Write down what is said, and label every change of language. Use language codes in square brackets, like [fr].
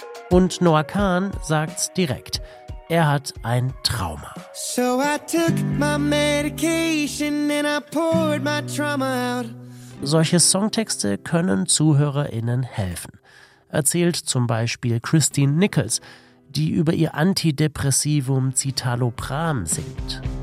[de] Und Noah Kahan sagt's direkt, er hat ein Trauma. [en] So I took my medication and I poured my trauma out. [de] Solche Songtexte können ZuhörerInnen helfen, erzählt zum Beispiel Christine Nichols, die über ihr Antidepressivum Citalopram singt.